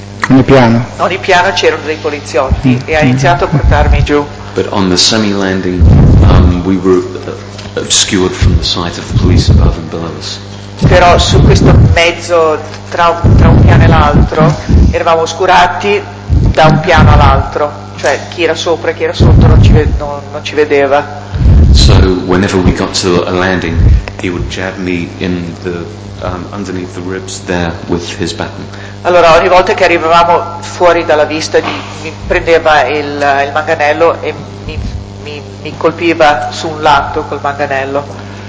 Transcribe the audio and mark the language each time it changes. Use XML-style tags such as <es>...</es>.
<it>ogni piano c'erano dei poliziotti e ha iniziato a portarmi giù.</it> <en>But on the semi-landing, we were obscured from the sight of the police above and below us.</en> <it>Però su questo mezzo tra un piano e l'altro eravamo oscurati da un piano all'altro, cioè chi era sopra e chi era sotto non ci vedeva.</it> <en>So whenever we got to a landing, he would jab me in the underneath the ribs there with his baton.</en> <it>Allora ogni volta che arrivavamo fuori dalla vista mi prendeva il manganello e mi colpiva su un lato col manganello.</it>